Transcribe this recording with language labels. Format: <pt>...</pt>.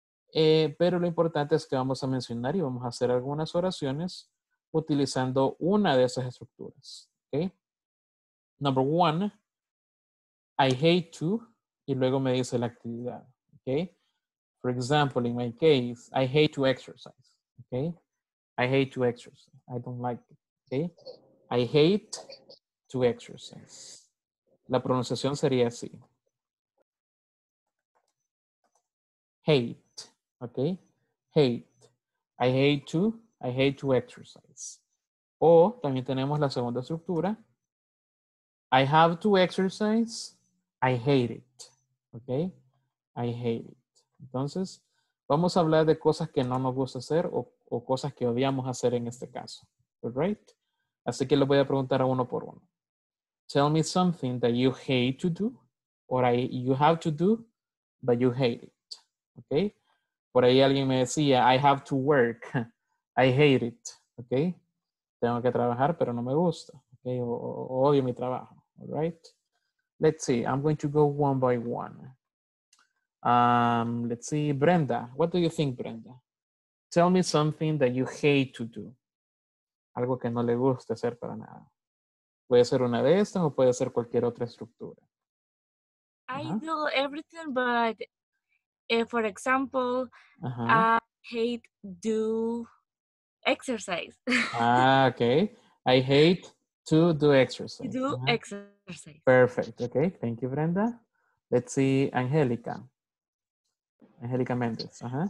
<es>Pero lo importante es que vamos a mencionar y vamos a hacer algunas oraciones utilizando una de esas estructuras, ¿ok?</es> <en>Number one. I hate to,</en> <es>y luego me dice la actividad, ¿ok?</es> <en>For example, in my case, I hate to exercise, ¿ok? I hate to exercise, I don't like it, ¿ok? I hate to exercise.</en> <es>La pronunciación sería así.</es> <en>Hate, ¿ok? Hate. I hate to exercise.</en> <es>O también tenemos la segunda estructura.</es> <en>I have to exercise. I hate it, ¿ok? I hate it.</en> <es>Entonces, vamos a hablar de cosas que no nos gusta hacer o cosas que odiamos hacer en este caso,</es> <en>all right?</en> <es>Así que lo voy a preguntar uno por uno.</es> <en>Tell me something that you hate to do or you have to do, but you hate it, ¿ok?</en> <es>Por ahí alguien me decía,</es> <en>I have to work, I hate it, ¿ok?</en> <es>Tengo que trabajar, pero no me gusta, ¿ok? O odio mi trabajo,</es> <en>all right? Let's see. I'm going to go one by one. Let's see. Brenda. What do you think, Brenda? Tell me something that you hate to do.</en> <es>algo que no le guste hacer para nada. Puede ser una de estas o puede ser cualquier otra estructura.</es> <en>I do everything, but for example, I hate do exercise. Ah, okay. I hate to do exercise. Do exercise. Perfect. Okay. Thank you, Brenda. Let's see, Angélica. Angélica Méndez.</en>